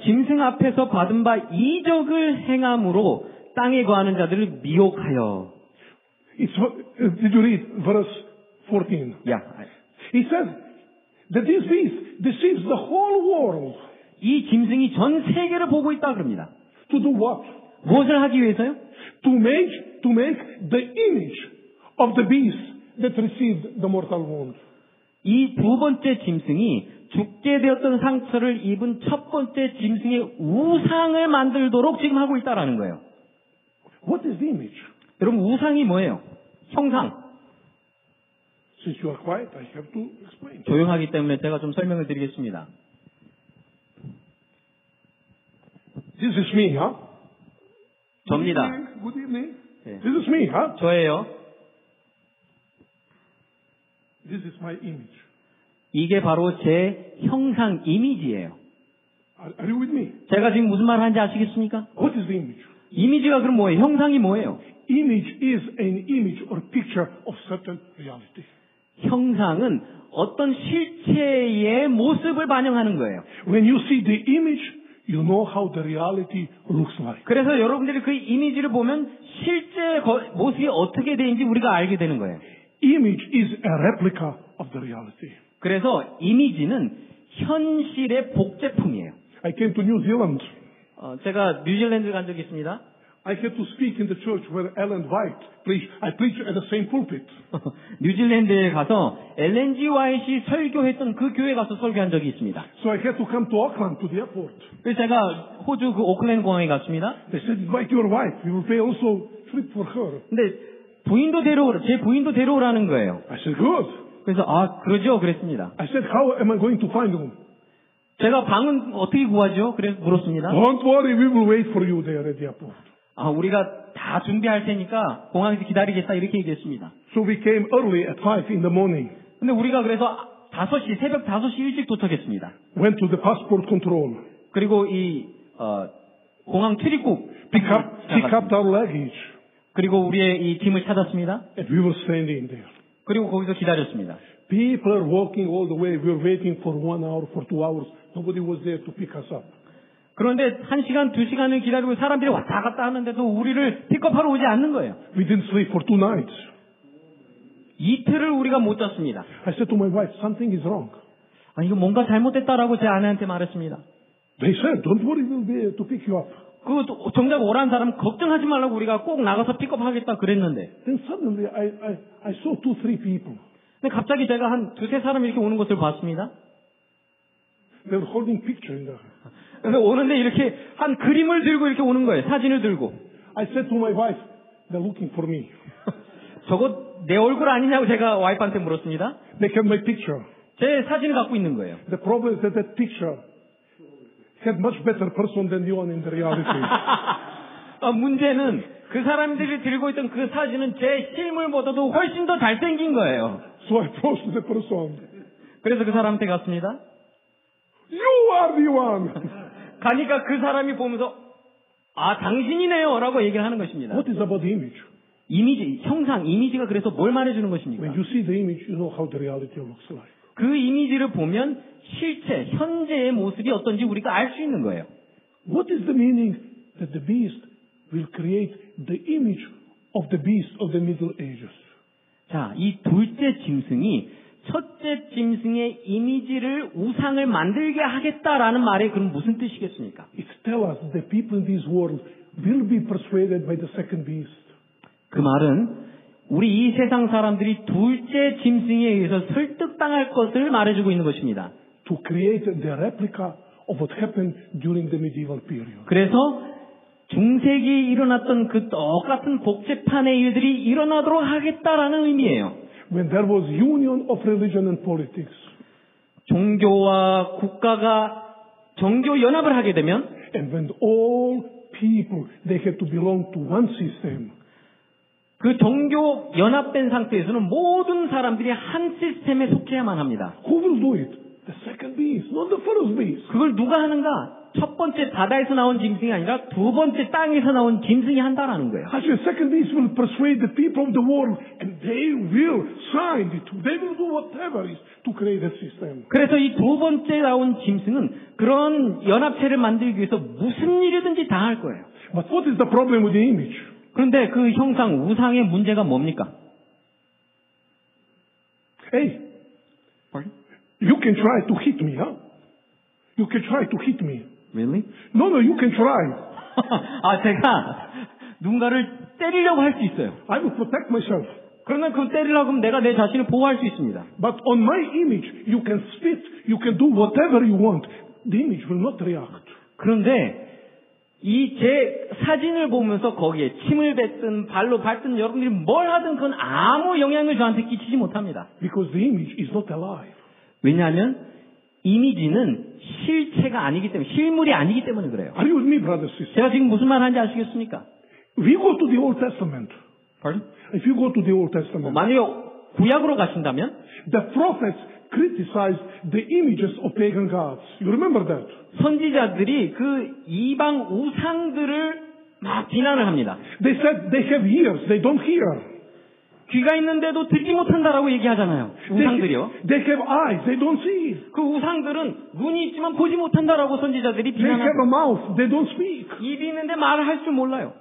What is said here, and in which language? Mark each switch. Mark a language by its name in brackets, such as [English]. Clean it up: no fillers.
[Korean] 짐승 앞에서 받은 바 이적을 행함으로 땅에 거하는 자들을 미혹하여. [English] It's, did you read verse 14? Yeah. He says that this beast deceives the whole world. [Korean] 이 짐승이 전 세계를 보고 있다 그럽니다. [English] To do what? [Korean] 무엇을 하기 위해서요? [English] To make the image of the beast that received the mortal wound. [Korean] 이 두 번째 짐승이 죽게 되었던 상처를 입은 첫 번째 짐승의 우상을 만들도록 지금 하고 있다라는 거예요. [English] What is the image? [Korean] 여러분 우상이 뭐예요? 형상. [English] Since you are quiet, I have to explain. [Korean] 조용하기 때문에 제가 좀 설명을 드리겠습니다. [English] This is me, huh? [Korean] 저입니다. [English] Good evening. This is me, huh? [Korean] 저예요. [English] This is my image. [Korean] 이게 바로 제 형상 이미지예요. [English] Are you with me? [Korean] 제가 지금 무슨 말을 하는지 아시겠습니까? [English] What is the image? [Korean] 이미지가 그럼 뭐예요? 형상이 뭐예요? [English] Image is an image or picture of certain reality. [Korean] 형상은 어떤 실체의 모습을 반영하는 거예요. [English] When you see the image, you know how the reality looks like. [Korean] 그래서 여러분들이 그 이미지를 보면 실제 모습이 어떻게 되는지 우리가 알게 되는 거예요. [English] Image is a replica of the reality. [Korean] 그래서 이미지는 현실의 복제품이에요. [English] I came to New Zealand. [Korean] 제가 뉴질랜드 간 적이 있습니다. [English] I had to speak in the church where Ellen White preached. I preached at the same pulpit. [Korean] 뉴질랜드에 가서 엘렌 G. 화이트 설교했던 그 교회 가서 설교한 적이 있습니다. [English] So I had to come to Auckland to the airport. [Korean] 그래서 제가 호주 그 오클랜드 공항에 갔습니다. [English] They said invite your wife. We will pay also trip for her. [Korean] 근데 부인도 데려오라, 제 부인도 데려오라는 거예요. [English] I said good. [Korean] 그래서 아 그러죠 그랬습니다. [English] I said how am I going to find room? [Korean] 제가 방은 어떻게 구하죠? 그래서 물었습니다. [English] Don't worry, we will wait for you there at the airport. [Korean] 아, 우리가 다 준비할 테니까 공항에서 기다리겠다 이렇게 얘기했습니다. [English] So we came early at 5 in the morning. [Korean] 근데 우리가 그래서 5시, 새벽 5시 일찍 도착했습니다. [English] Went to the passport control. [Korean] 그리고 이 공항 출입국 [English] pick up our luggage. [Korean] 그리고 우리의 이 팀을 찾았습니다. [English] And we were standing there. [Korean] 그리고 거기서 기다렸습니다. [English] People are walking all the way. We were waiting for 1 hour, for 2 hours. Nobody was there to pick us up. [Korean] 그런데 1시간, 2시간을 기다리고 사람들이 왔다 갔다 하는데도 우리를 픽업하러 오지 않는 거예요. [English] We didn't sleep for 2 nights. [Korean] 이틀을 우리가 못 잤습니다. [English] I said to my wife, something is wrong. [Korean] 아, 이거 뭔가 잘못됐다라고 제 아내한테 말했습니다. [English] They said, don't worry, we'll be there to pick you up. [Korean] 그 정작 오란 사람 걱정하지 말라고 우리가 꼭 나가서 픽업하겠다 그랬는데. [English] Then suddenly I saw 2-3 people. [Korean] 근데 갑자기 제가 한 2-3 사람 이렇게 오는 것을 봤습니다. [English] They were holding picture in the [Korean] 그래서 오는데 이렇게 한 그림을 들고 이렇게 오는 거예요. 사진을 들고. [English] I said to my wife, they're looking for me. [Korean] 저거 내 얼굴 아니냐고 제가 와이프한테 물었습니다. [English] They have my picture. [Korean] 제 사진을 갖고 있는 거예요. [English] The problem is that that picture had much better person than the one in the reality. [Korean] 문제는 그 사람들이 들고 있던 그 사진은 제 실물보다도 훨씬 더 잘생긴 거예요. [English] So I approached the person. [Korean] 그래서 그 사람한테 갔습니다. [English] You are the one. [Korean] 가니까 그 사람이 보면서 아 당신이네요라고 얘기를 하는 것입니다. [English] What is about the image? [Korean] 이미지, 형상, 이미지가 그래서 뭘 말해주는 것입니까? [English] When you see the image, you know how the reality looks like. [Korean] 그 이미지를 보면 실제 현재의 모습이 어떤지 우리가 알 수 있는 거예요. [English] What is the meaning that the beast will create the image of the beast of the Middle Ages? [Korean] 자, 이 둘째 짐승이 첫째 짐승의 이미지를 우상을 만들게 하겠다라는 말이 그럼 무슨 뜻이겠습니까? [English] It tells us that people in this world will be persuaded by the second beast. [Korean] 그 말은 우리 이 세상 사람들이 둘째 짐승에 의해서 설득당할 것을 말해주고 있는 것입니다. [English] To create the replica of what happened during the medieval period. [Korean] 그래서 중세기에 일어났던 그 똑같은 복제판의 일들이 일어나도록 하겠다라는 의미예요. [English] When there was union of religion and politics, [Korean] 종교와 국가가 정교 연합을 하게 되면, [English] and when all people they had to belong to one system, [Korean] 그 종교 연합된 상태에서는 모든 사람들이 한 시스템에 속해야만 합니다. [English] Who will do it? The second beast, not the first beast. [Korean] 그걸 누가 하는가? 첫 번째 바다에서 나온 짐승이 아니라 두 번째 땅에서 나온 짐승이 한다라는 거예요. [English] Actually, the second beast will persuade the people of the world, and they will sign it. They will do whatever is to create that system. [Korean] 그래서 이 두 번째 나온 짐승은 그런 연합체를 만들기 위해서 무슨 일이든지 다 할 거예요. [English] But what is the problem with the image? [Korean] 그런데 그 형상 우상의 문제가 뭡니까? [English] Hey, pardon? You can try to hit me, huh? You can try to hit me. Really? No, no, you can try. [Korean] 아, 제가 누군가를 때리려고 할 수 있어요. [English] I will protect myself. [Korean] 그러면 그 때리려고 하면 내가 내 자신을 보호할 수 있습니다. [English] But on my image, you can spit, you can do whatever you want. The image will not react. [Korean] 그런데 이 제 사진을 보면서 거기에 침을 뱉든 발로 밟든 여러분들이 뭘 하든 그건 아무 영향을 저한테 끼치지 못합니다. [English] Because the image is not alive. [Korean] 왜냐하면 이미지는 실체가 아니기 때문에 실물이 아니기 때문에 그래요. [English] Are you with me, brothers, sisters? [Korean] 제가 지금 무슨 말 하는지 아시겠습니까? [English] We go to the Old Testament. Pardon? If you go to the Old Testament. [Korean] 만약에 구약으로 가신다면 [English] the prophets criticized the images of pagan gods. You remember that? [Korean] 선지자들이 그 이방 우상들을 막 비난을 합니다. [English] They said they have ears, they don't hear. [Korean] 귀가 있는데도 듣지 못한다라고 얘기하잖아요. 우상들이요. [English] They have eyes, they don't see. [Korean] 그 우상들은 눈이 있지만 보지 못한다라고 선지자들이 비난합니다. [English] They have a mouth, they don't speak. [Korean] 입이 있는데 말을 할 줄 몰라요.